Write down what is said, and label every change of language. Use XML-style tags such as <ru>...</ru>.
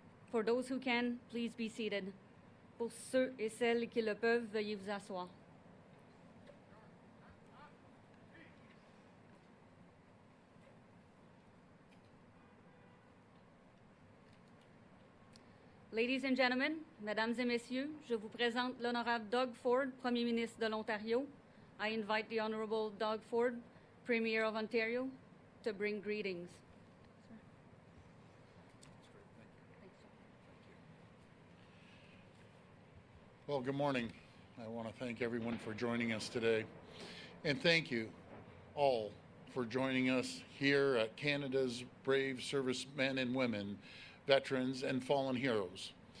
<en>For those who can, please be seated.</en> <fr>Pour ceux et celles qui le peuvent, veuillez vous asseoir.</fr> <en>Ladies and gentlemen,</en> <fr>mesdames et messieurs, je vous présente l'honorable Doug Ford, Premier ministre de l'Ontario.</fr> <en>I invite the honorable Doug Ford, Premier of Ontario, to bring greetings. Well, good morning. I want to thank everyone for joining us today. And thank you all for joining us here at Canada's Brave Servicemen and Women, Veterans and Fallen Heroes.</en>